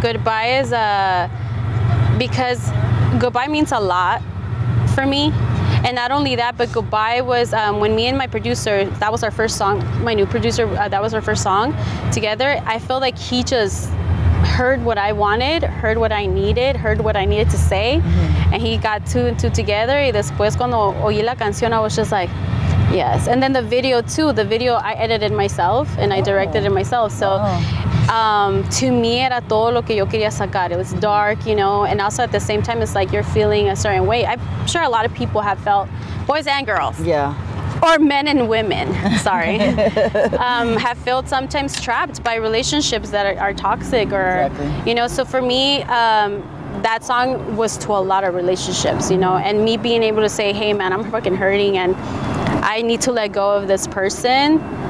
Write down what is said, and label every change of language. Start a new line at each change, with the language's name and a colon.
English: Goodbye is because Goodbye means a lot for me. And not only that, but Goodbye was when me and my producer, that was our first song, my new producer, that was our first song together. I feel like he just heard what I wanted, heard what I needed, heard what I needed to say. Mm-hmm. And he got two and two together.
Spanish: Y después cuando oí la canción,
English: I was just like, yes. And then the video too, the video I edited myself and I directed it myself. So to me
Spanish: era todo lo que yo quería sacar.
English: It was dark, you know, and also at the same time, it's like you're feeling a certain way. I'm sure a lot of people have felt, boys and girls. Yeah. or men and women, sorry, have felt sometimes trapped by relationships that are toxic or, exactly. You know, so for me, that song was to a lot of relationships, you know, and me being able to say, hey, man, I'm fucking hurting and I need to let go of this person.